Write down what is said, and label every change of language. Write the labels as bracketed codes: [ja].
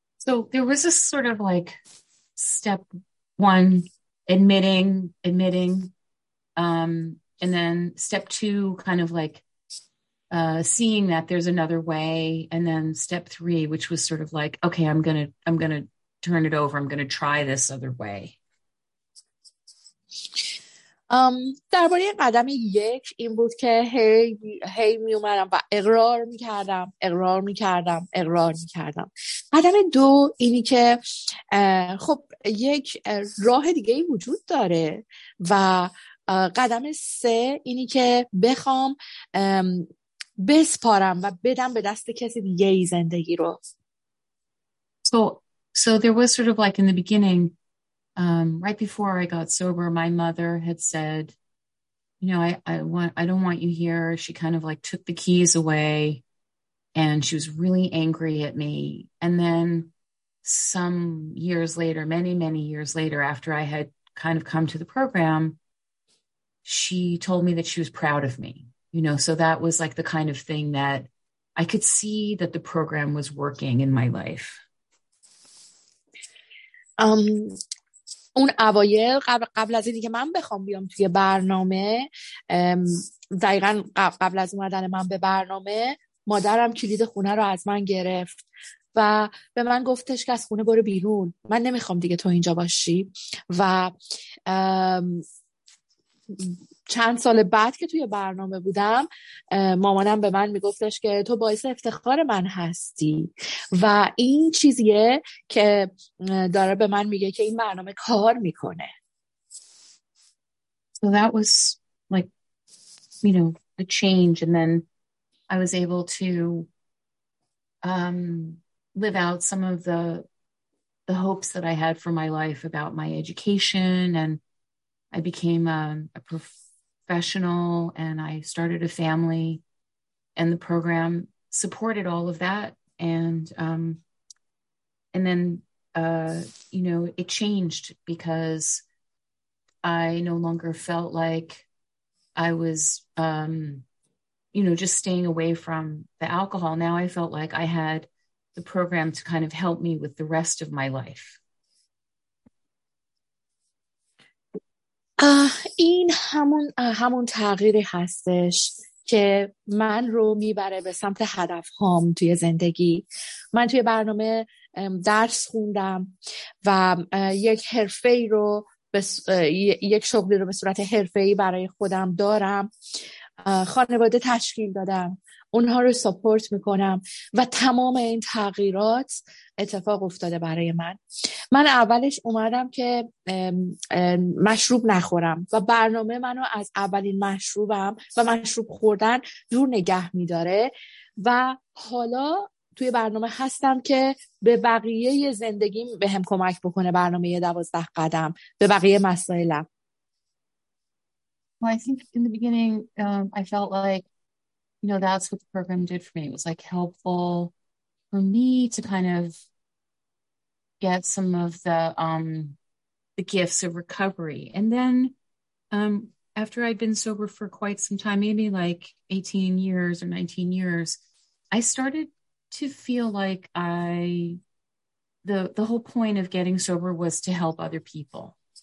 [en] So there was a sort of like step one, admitting, and then step two, kind of like seeing that there's another way, and then step three, which was sort of like, okay, I'm gonna turn it over, I'm gonna try this other way. [fa] درباره قدم یک این بود که هی می اومدم و اقرار می کردم. قدم دو اینی که خب یک راه دیگه وجود داره و قدم سه اینی که بخوام بسپارم و بدم به دست کسی دیگه ای زندگی رو. [en] So there was sort of like in the beginning, right before I got sober, my mother had said, you know, I don't want you here. She kind of like took the keys away and she was really angry at me. And then some years later, many, many years later, after I had kind of come to the program, she told me that she was proud of me, you know, so that was like the kind of thing that I could see that the program was working in my life. [fa] اون اوایل قبل از اینی که من بخوام بیام توی برنامه دقیقا قبل از اومدن من به برنامه مادرم کلید خونه رو از من گرفت و به من گفتش که از خونه برو بیرون من نمیخوام دیگه تو اینجا باشی و چند سال بعد که توی برنامه بودم مامانم به من میگفتش که تو باعث افتخار من هستی و این چیزیه که داره به من میگه که این برنامه کار میکنه. [en] So that was like, you know, a change, and then I was able to live out some of the hopes that I had for my life about my education, and I became a professional and I started a family, and the program supported all of that. And then, you know, it changed because I no longer felt like I was, you know, just staying away from the alcohol. Now I felt like I had the program to kind of help me with the rest of my life. [fa] این همون تغییری هستش که من رو میبره به سمت هدفهام توی زندگی. من توی برنامه درس خوندم و یک حرفه‌ای رو یک شغلی رو به صورت حرفه‌ای برای خودم دارم، خانواده تشکیل دادم، اونها رو سپورت میکنم و تمام این تغییرات اتفاق افتاده برای من. من اولش اومدم که مشروب نخورم و برنامه منو از اولین مشروبم و مشروب خوردن دور نگه میداره و حالا توی برنامه هستم که به بقیه زندگیم به هم کمک بکنه. برنامه 12 قدم به بقیه مسائلم. [en] Well, I think in the beginning, I felt like, you know, that's what the program did for me. It was like helpful for me to kind of get some of the gifts of recovery. And then after I'd been sober for quite some time, maybe like 18 years or 19 years, I started to feel like the whole point of getting sober was to help other people.